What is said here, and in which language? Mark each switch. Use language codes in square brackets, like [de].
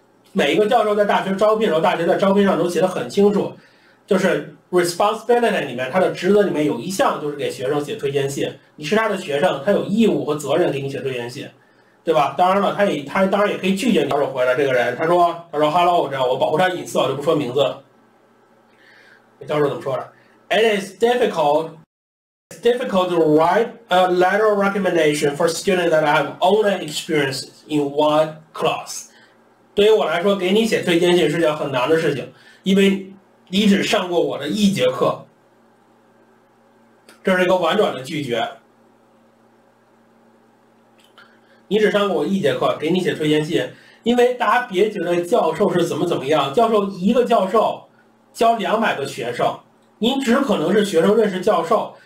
[zh] 每一个教授在大学招聘的时候，大学在招聘上都写得很清楚，就是 responsibility 里面，他的职责里面有一项就是给学生写推荐信，你是他的学生，他有义务和责任给你写推荐信，对吧？当然了，他当然也可以拒绝你。教授回来，这个人他说 hello， 我这样我保护他隐私，我就不说名字了。教授怎么说的？ [en] It's difficult to write a letter of recommendation for students that have only experienced in one class. [zh] 对于我来说，给你写推荐信是件很难的事情，因为你只上过我的一节课。这是一个婉转的拒绝。你只上过我一节课，给你写推荐信，因为大家别觉得教授是怎么怎么样，教授一个教授教200个学生，你只可能是学生认识教授。